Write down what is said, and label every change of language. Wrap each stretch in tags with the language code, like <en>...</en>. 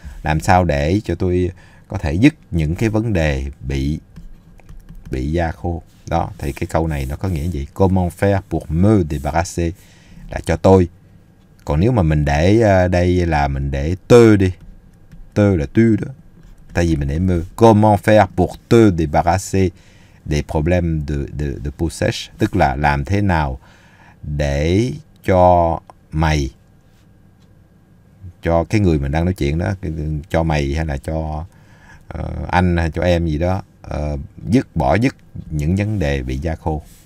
<vi>Làm sao để cho tôi có thể dứt những cái vấn đề bị da khô đó, thì cái câu này nó có nghĩa gì?</vi> <fr>Comment faire pour me débarrasser</fr> <vi>là cho tôi. Còn nếu mà mình để đây là mình để te đi, te là tu đó, tại vì mình để me.</vi> <fr>Comment faire pour te débarrasser des problèmes de peau sèche,</fr> <vi>tức là làm thế nào để cho mày, cho cái người mình đang nói chuyện đó, cho mày hay là cho anh hay cho em gì đó, dứt những vấn đề bị da khô.</vi>